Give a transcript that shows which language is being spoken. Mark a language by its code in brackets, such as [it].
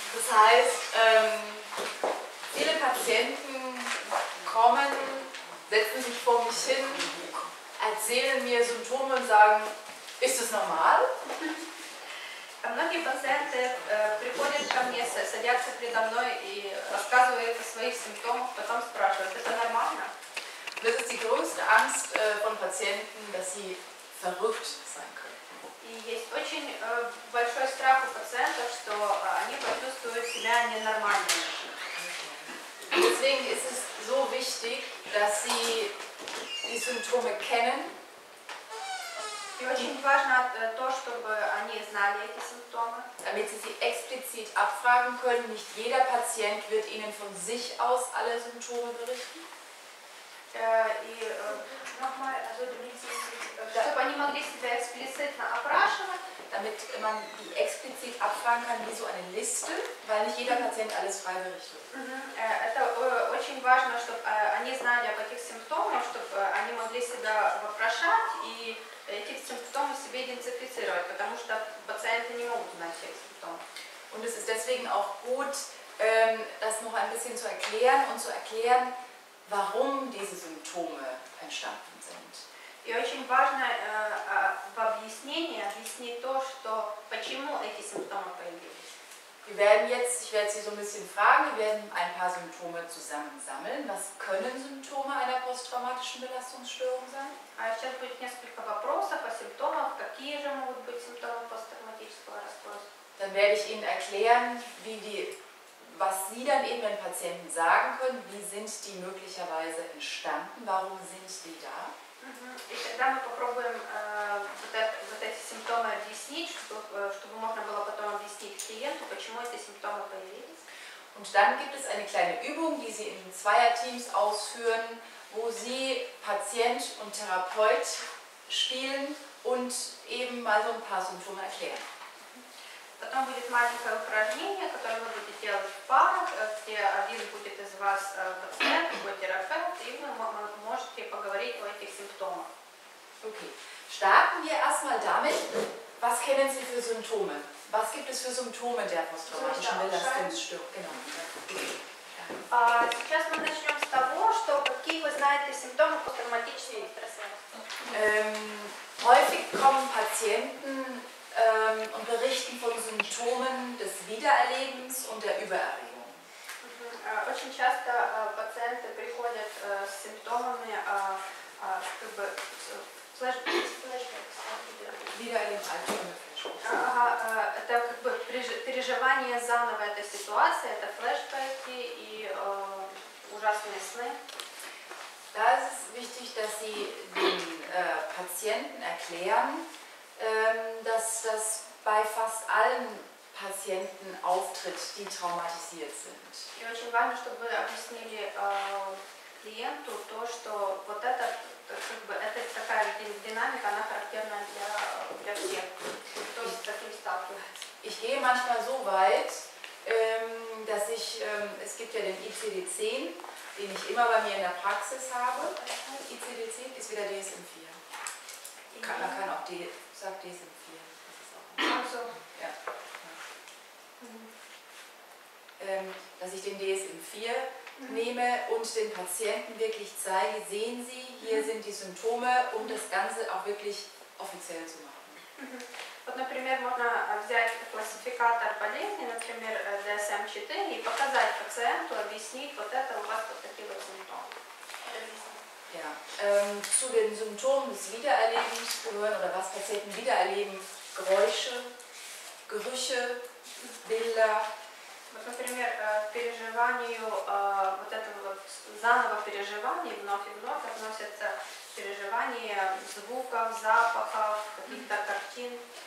[de] Das heißt, viele Patienten kommen, setzen sich vor mich hin, erzählen mir Symptome und sagen, ist das normal? [ru] Многие пациенты приходят ко мне, садятся передо мной и рассказывают о своих симптомах, потом спрашивают, это нормально? [de] Das ist die größte Angst von Patienten, dass sie verrückt sein können. [ru] И есть очень большой страх у пациентов, что они почувствуют себя ненормальными. [de] Deswegen ist es so wichtig, dass sie die Symptome kennen. [ru] И очень важно то, чтобы они знали эти симптомы. [de] Damit sie sie explizit abfragen können, nicht jeder Patient wird ihnen von sich aus alle Symptome berichten. [ru] Чтобы они могли себя эксплицитно опрашивать. [de] Damit man die explizit abfragen kann, wie so eine Liste, weil nicht jeder Patient alles frei berichtet. [ru] Это очень важно, чтобы они знали об этих симптомах, чтобы они могли себя вопрошать и этих симптомов себе идентифицировать, потому что пациенты не могут знать всех симптомов. [de] Und es ist deswegen auch gut, das noch ein bisschen zu erklären und zu erklären, warum diese Symptome entstanden sind. [ru] И очень важно в объяснении объяснить то, что почему эти симптомы появились. [de] Wir werden jetzt, ich werde Sie so ein bisschen fragen, wir werden ein paar Symptome zusammen sammeln. Was können Symptome einer posttraumatischen Belastungsstörung sein? [ru] Сейчас будет несколько вопросов о симптомах. Какие же могут быть симптомы посттравматического расстройства? [de] Dann werde ich Ihnen erklären, wie die, was Sie dann eben den Patienten sagen können. Wie sind die möglicherweise entstanden? Warum sind die da? [ru] И тогда мы попробуем вот эти симптомы объяснить, чтобы можно было потом объяснить клиенту, почему эти симптомы появились. [de] Und dann gibt es eine kleine Übung, die Sie in Zweierteams ausführen, wo Sie Patient und Therapeut spielen und eben mal so ein paar Symptome erklären. [ru] Потом будет маленькое упражнение, которое вы будете делать в парах, где один будет из вас пациент, другой терапевт, и вы можете поговорить о этих симптомах. [de] Okay. Starten wir erstmal damit, was kennen Sie für Symptome? Was gibt es für Symptome der posttraumatischen Belastungsstörung? Genau. [ru] Сейчас мы начнем с того, что какие вы знаете симптомы посттравматической стрессовой реакции. [de] Häufig kommen Patienten und berichten von Symptomen des Wiedererlebens und der Übererregung. [ru] Очень часто пациенты приходят с симптомами, чтобы это как бы переживание заново этой ситуации, это флешбеки и ужасные сны. [de] Да, wichtig, dass Sie den Patienten erklären, dass das bei fast allen Patienten auftritt, die traumatisiert sind. [ru] И очень важно, чтобы вы объяснили клиенту то, что вот это как бы это такая динамика, она характерна для всех, кто с таким сталкивается. [de] Ich gehe manchmal so weit, dass ich, es gibt ja den ICD-10, den ich immer bei mir in der Praxis habe. ICD-10 ist wieder DSM-4. Man kann auch DSM-4. Also. Ja. Dass ich den DSM-4 nehme und den Patienten wirklich zeige, sehen Sie, hier sind die Symptome, um das Ganze auch wirklich offiziell zu machen. [ru] Вот, например, можно взять классификатор болезни, например, DSM-4, и показать пациенту, объяснить, вот это у вас вот такие вот симптомы. [de] Ja, zu den Symptomen des Wiedererlebens gehören, oder was Patienten wiedererleben, Geräusche, Gerüche, Bilder. [ru] Вот, например, переживанию, вот этого вот заново переживания, вновь и вновь относятся переживания звуков, запахов, каких-то картин.